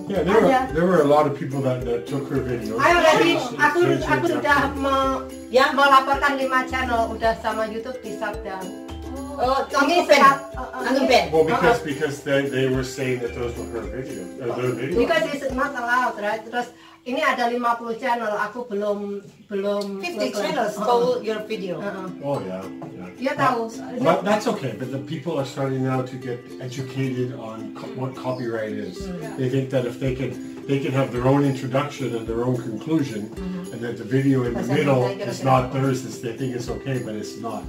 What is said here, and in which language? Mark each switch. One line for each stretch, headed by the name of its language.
English: Yeah, there were a lot of people that took her videos.
Indonesian: Aku sudah melaporkan 5 channel udah sama YouTube di shutdown.
English: Well, because they were saying that those were her videos. Because it's not allowed, right?
Indonesian: Terus ini ada 50 channel, aku belum
English: 50 channels for your video. Uh-huh. Oh yeah.
Indonesian: Ya tahu.
English: But that's okay, but the people are starting now to get educated on what copyright is. Yeah. They think that if they can have their own introduction and their own conclusion, mm-hmm. and that the video in the middle is not theirs, they think it's okay, but it's not.